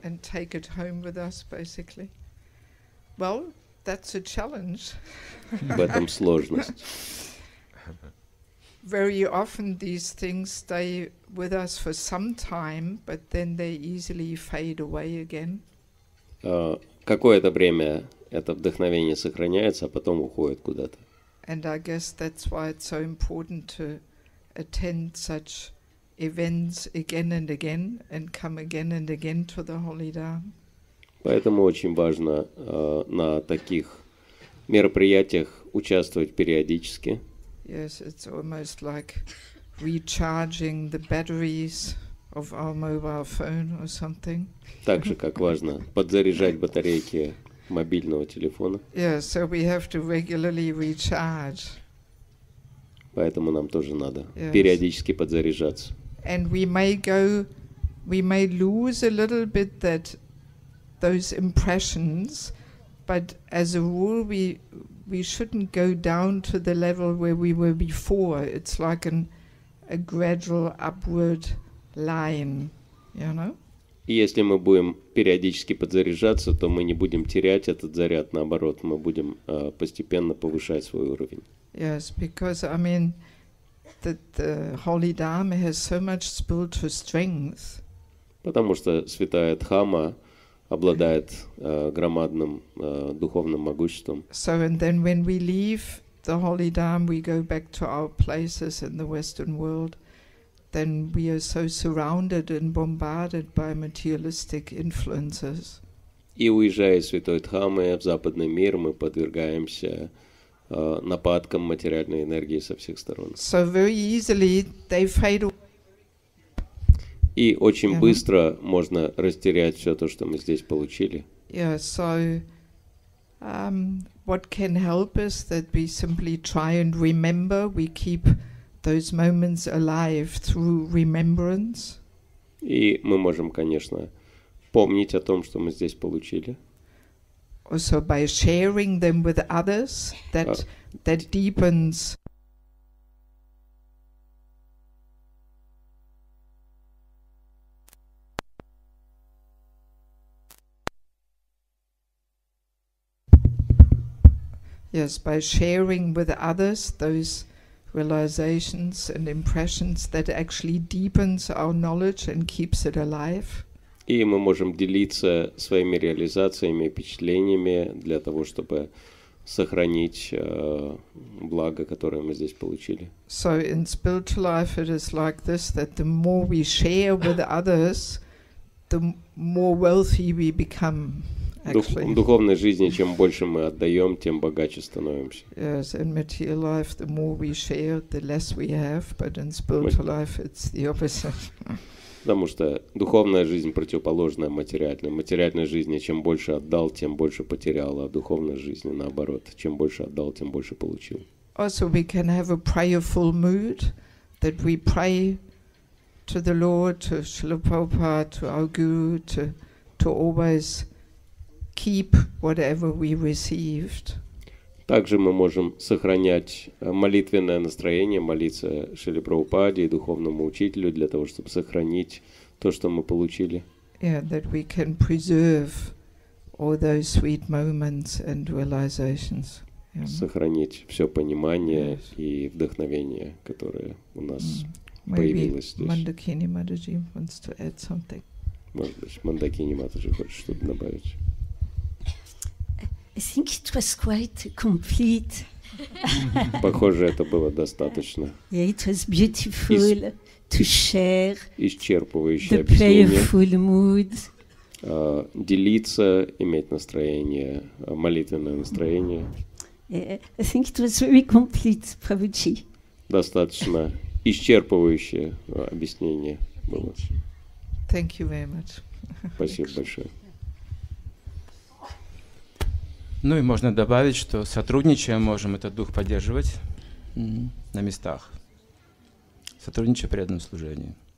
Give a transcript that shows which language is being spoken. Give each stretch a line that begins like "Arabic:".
English: and take it home with us, basically. Well, that's a challenge. But I'm
Russian: сложность.
English: Very often these things stay with us for some time, but then they easily fade away again.
Russian: Какое-то время это вдохновение сохраняется, а потом уходит куда-то.
English: And I guess that's why it's so important to attend such events again and again, and come again and again to the Holy Dham.
Russian: Поэтому очень важно на таких мероприятиях участвовать периодически.
English: Yes, it's almost like recharging the batteries of our mobile phone or something.
Russian: Также как важно подзаряжать батарейки мобильного телефона.
English: Yes, so we have to regularly recharge.
Russian: Поэтому нам тоже надо периодически подзаряжаться.
English: And we may lose a little bit that those impressions, but as a rule we shouldn't go down to the level where we were before. It's like a gradual upward line, you know?
Russian: Если мы будем периодически подзаряжаться, то мы не будем терять этот заряд, наоборот, мы будем постепенно повышать свой уровень.
English: Yes, because I mean that the Holy Dharma has so much spiritual strength.
Russian: Потому что святая Дхамма обладает громадным духовным могуществом.
English: So and then when we leave the Holy Dharma, we go back to our places in the Western world. Then we are so surrounded and bombarded by materialistic influences.
Russian: И уезжая из Святой Дхаммы в западный мир, мы подвергаемся нападкам материальной энергии со всех сторон.
English: So very easily they fade away.
Russian: И очень yeah. быстро можно растерять все то, что мы здесь получили.
English: Yeah, so what can help is that we simply try and remember, we keep those moments alive through remembrance.
Russian: И мы можем, конечно, помнить о том, что мы здесь получили.
English: Also by sharing them with others, that deepens. Yes, by sharing with others those realizations and impressions that actually deepens our knowledge and keeps it alive.
Russian: И мы можем делиться своими реализациями, впечатлениями для того, чтобы сохранить благо, которое мы здесь получили.
English: So in spiritual life it is like this, that the more we share with others, the more wealthy we become.
Russian: В духовной жизни, чем больше мы отдаем, тем богаче становимся.
English: Yes, in material life, the more we share, the less we have, but in spiritual life, it's the opposite.
Russian: Потому что духовная жизнь противоположная материальной. В материальной жизни, чем больше отдал, тем больше потерял, а в духовной жизни, наоборот, чем больше отдал, тем больше получил.
English: Also, we can have a prayerful mood, that we pray to the Lord, to Srila Prabhupada, to our Guru, to always keep whatever we received.
Russian: Также мы можем сохранять молитвенное настроение, молиться Шриле Прабхупаде и духовному учителю для того, чтобы сохранить то, что мы получили.
English: Yeah, that we can preserve all those sweet moments and realizations. Yeah.
Russian: Сохранить все понимание yes. и вдохновение, которое у нас появилось здесь.
English: Mandakini Mataji wants to add something.
Russian: Может быть, Мандакини Матаджи хочет что-то добавить.
English: I think it was quite complete.
Russian: Похоже, это было достаточно.
English: Yeah, it was beautiful to share.
Russian: Исчерпывающее объяснение.
English: The prayerful mood.
Russian: Делиться, иметь настроение, молитвенное настроение.
English: Yeah, I think it was very complete, Prabhuji.
Russian: Достаточно исчерпывающее объяснение было.
English: Thank you very much.
Russian: Спасибо большое. Ну и можно добавить, что сотрудничая можем этот дух поддерживать на местах, сотрудничая при этом служении.